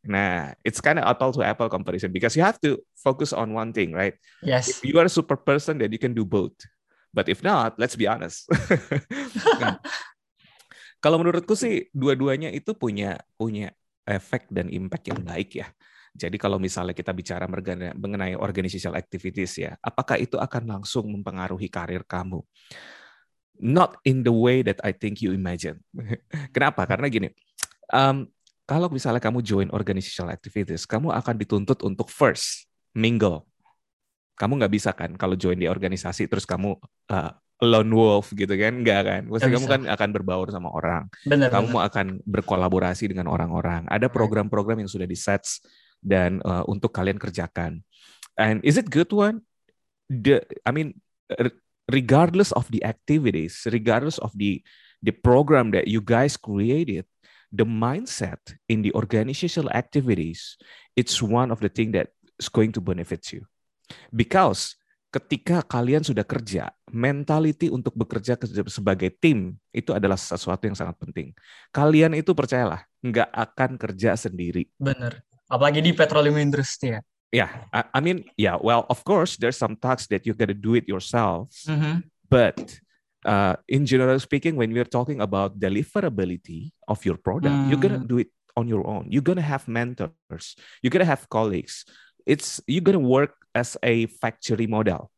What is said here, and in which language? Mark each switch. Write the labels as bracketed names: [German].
[English] Nah, it's kind of apple to apple comparison because you have to focus on one thing, right? Yes. If you are a super person, then you can do both. But if not, let's be honest. [Indonesian] Nah, kalau menurutku sih, dua-duanya itu punya efek dan impact yang baik ya. Jadi kalau misalnya kita bicara mengenai organizational activities ya, apakah itu akan langsung mempengaruhi karir kamu? [English] Not in the way that I think you imagine. [Indonesian] Kenapa? Karena gini, kalau misalnya kamu join organizational activities, kamu akan dituntut untuk first, mingle. Kamu nggak bisa kan kalau join di organisasi terus kamu lone wolf gitu kan? Nggak kan? Maksudnya kamu kan akan berbaur sama orang. Benar, kamu benar. Akan berkolaborasi dengan orang-orang. Ada program-program yang sudah di-set dan untuk kalian kerjakan. [English] And is it good one? Regardless of the activities, regardless of the program that you guys created, the mindset in the organizational activities, it's one of the thing that is going to benefit you. [Indonesian] Because ketika kalian sudah kerja, mentality untuk bekerja sebagai tim itu adalah sesuatu yang sangat penting. Kalian itu percayalah, nggak akan kerja sendiri. Benar. Apalagi di petroleum industry ya. [English] Yeah, well, of course, there's some tasks that you gotta do it yourself. Mm-hmm. But in general speaking, when we're talking about deliverability of your product, you're gonna do it on your own. You're gonna have mentors. You're gonna have colleagues. You're gonna work as a factory model.